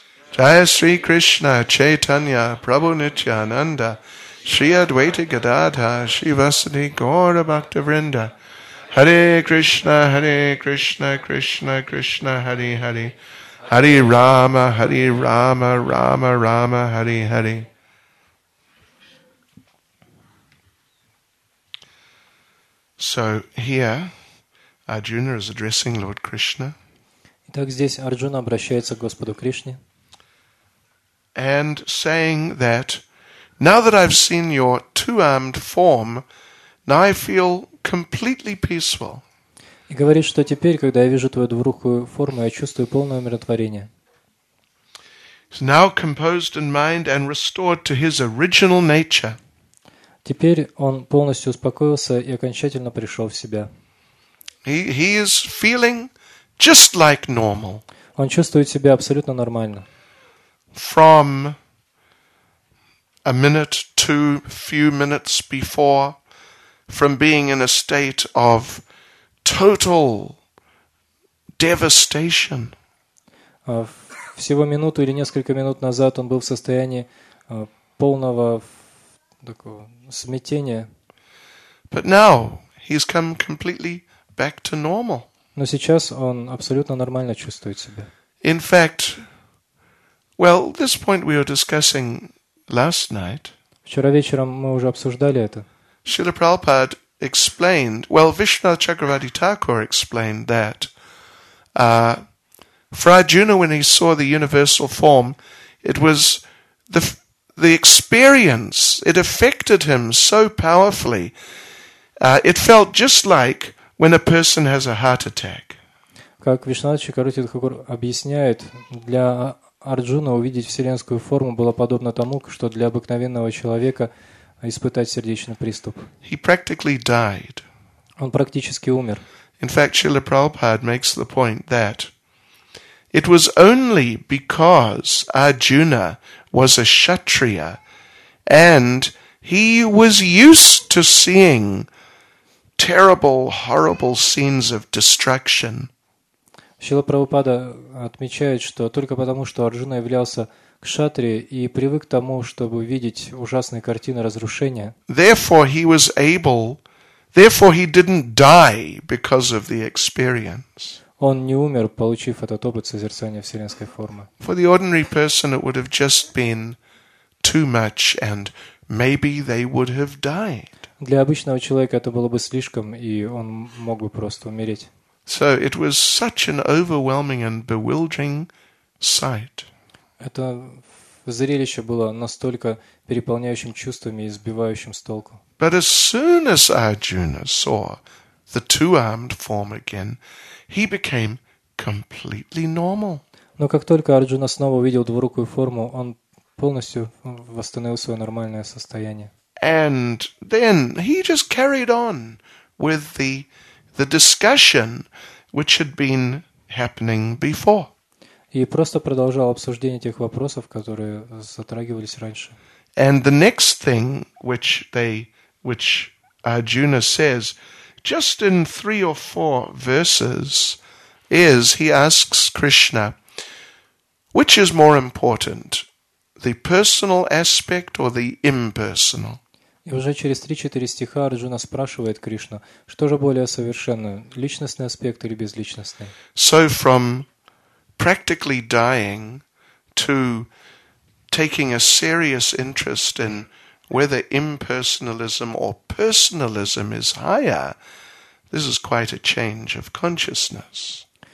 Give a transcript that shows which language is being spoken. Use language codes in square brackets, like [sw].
[sa] Jaya Sri Krishna Chaitanya Prabhu Nityananda Shri Advaita Gadadha Shri Vasati Gaura Bhakta Vrinda Hare Krishna Krishna Krishna Hare Hare Hare Rama Rama Rama Hare Hare [en] So here Arjuna is addressing Lord Krishna. [ru] Итак, здесь Арджуна обращается к Господу Кришне. [en] And saying that, now that I've seen your two-armed form, now I feel completely peaceful. [ru] И говорит, что теперь, когда я вижу твою двурукую форму, я чувствую полное умиротворение. [en] He's now composed in mind and restored to his original nature. [ru] Теперь он полностью успокоился и окончательно пришел в себя. [en] He is feeling just like normal. [ru] Он чувствует себя абсолютно нормально. [en] From a minute to few minutes before, from being in a state of total devastation. [ru] Всего минуту или несколько минут назад он был в состоянии полного такого смятения. [en] But now he's come completely back to normal. [ru] Но сейчас он абсолютно нормально чувствует себя. [en] In fact, well, this point we were discussing last night. [ru] Вчера вечером мы уже обсуждали это. [en] Шрила Прабхупада explained, well, Вишванатха Чакраварти Тхакур explained that Fra Juna, when he saw the universal form, it was the experience, it affected him so powerfully. It felt just like when a person has a heart attack. [ru] Как Вишванатха Чакраварти Тхакур объясняет, для Арджуна увидеть вселенскую форму было подобно тому, что для обыкновенного человека испытать сердечный приступ. [en] He practically died. [ru] Он практически умер. [en] In fact, Srila Prabhupada makes the point that it was only because Arjuna was a kshatriya and he was used to seeing terrible, horrible scenes of destruction. [ru] Шрила Прабхупада отмечает, что только потому, что Арджуна являлся кшатри и привык к тому, чтобы видеть ужасные картины разрушения. [en] Therefore he was able, therefore he didn't die because of the experience. [ru] Он не умер, получив этот опыт созерцания вселенской формы. [en] For the ordinary person it would have just been too much and maybe they would have died. [ru] Для обычного человека это было бы слишком, и он мог бы просто умереть. [en] So it was such an overwhelming and bewildering sight. [ru] Это зрелище было настолько переполняющим чувствами и сбивающим с толку. [en] But as soon as Arjuna saw the two-armed form again, he became completely normal. [ru] Но как только Арджуна снова увидел двурукую форму, он полностью восстановил свое нормальное состояние. [en] And then he just carried on with the discussion which had been happening before. [ru] И просто продолжал обсуждение тех вопросов, которые затрагивались раньше. [en] And the next thing which Arjuna says, just in 3 or 4 verses, is he asks Krishna, which is more important, the personal aspect or the impersonal? [ru] И уже через 3-4 стиха Арджуна спрашивает Кришну, что же более совершенное, личностный аспект или безличностный? [en] So from practically dying to taking a serious interest in whether impersonalism or personalism is higher, this is quite a change of consciousness.